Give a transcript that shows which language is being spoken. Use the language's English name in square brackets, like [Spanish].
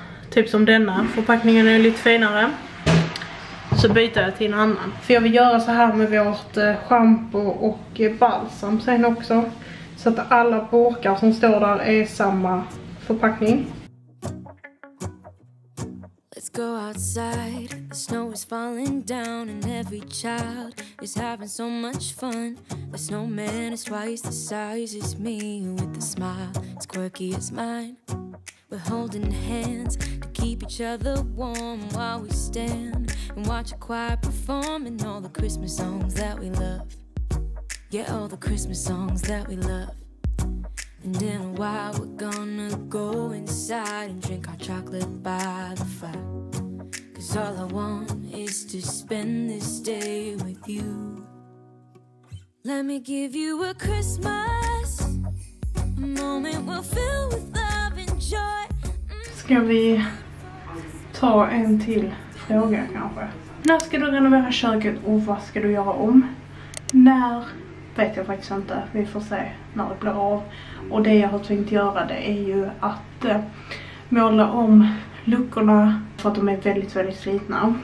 [Swedish] Typ som denna, förpackningen är lite finare. Så byter jag till en annan. För jag vill göra så här med vårt shampoo och balsam sen också. Så att alla burkar som står där är samma förpackning. [English] Let's go outside. The snow is falling down and every child is having so much fun. The snowman is twice the size as me with a smile as quirky as mine. We're holding hands to keep each other warm while we stand and watch a choir perform and all the Christmas songs that we love. Yeah, all the Christmas songs that we love. And in a while we're gonna go inside and drink our chocolate by the fire. Cause all I want is to spend this day with you. Let me give you a Christmas. A moment we'll fill with love and joy. [Swedish] Ska vi ta en till fråga kanske? När ska du renovera köket och vad ska du göra om? När vet jag faktiskt inte. Vi får se när det blir av. Och det jag har tänkt göra det är ju att måla om luckorna för att de är väldigt, väldigt slitna.